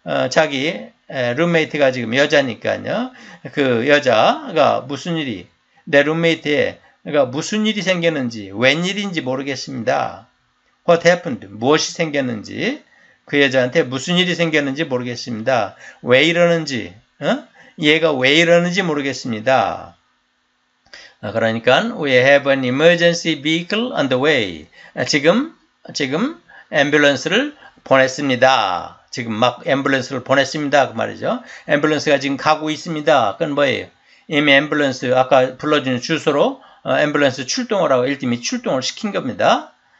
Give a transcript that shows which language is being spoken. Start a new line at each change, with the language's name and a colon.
Korean: 자기 룸메이트가 지금 여자니까요. 그 여자가 무슨 일이 내 룸메이트에 그러니까 무슨 일이 생겼는지 웬일인지 모르겠습니다.
English: What happened?
Korean: 무엇이 생겼는지 그 여자한테 무슨 일이 생겼는지 모르겠습니다. 왜 이러는지 얘가 왜 이러는지 모르겠습니다.
English: 그러니까 We have an emergency vehicle on the way.
Korean: 지금 앰뷸런스를 보냈습니다. 지금 막 앰뷸런스를 보냈습니다. 그 말이죠. 앰뷸런스가 지금 가고 있습니다. 그건 뭐예요? 이미 앰뷸런스 아까 불러준 주소로 앰뷸런스 출동을 하고 일팀이 출동을 시킨 겁니다.